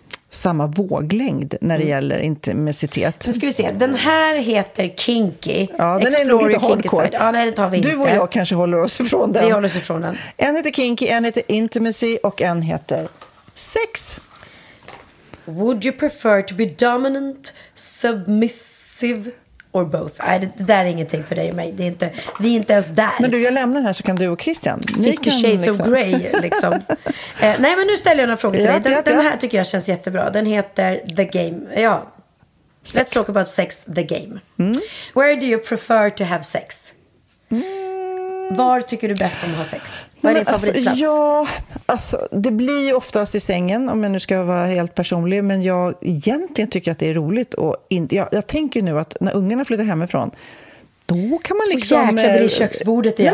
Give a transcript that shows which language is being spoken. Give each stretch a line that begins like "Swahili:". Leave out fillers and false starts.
Swedish: samma våglängd när det gäller intimitet. Nu ska vi se. Den här heter Kinky. Ja, den
English: Explorer
Swedish: är lite hardcore. Ja, nej, det tar vi du inte. Du och jag kanske håller oss ifrån den. Vi håller oss ifrån den. En heter Kinky, en heter Intimacy och en heter Sex.
English: Would you prefer to be dominant, submissive or both?
Swedish: Nej, det där är ingenting för dig och mig. Det är inte, vi är inte ens där. Men du, jag lämnar den här så kan du och Christian. Ni 50 kan, Shades liksom. Of Grey, liksom. Nej, men nu ställer jag några frågor till dig. Den här tycker jag känns jättebra. Den heter The Game. Ja. Sex.
English: Let's talk about sex, The Game. Mm. Where do you prefer to have sex? Mm.
Swedish: Var tycker du bäst om att ha sex? Vad är din favoritplats? Alltså, ja, alltså, det blir ju oftast i sängen, om jag nu ska vara helt personlig. Men jag egentligen tycker att det är roligt. Och jag tänker ju nu att när ungarna flyttar hemifrån, då kan man liksom... Och jäklar, det är köksbordet igen.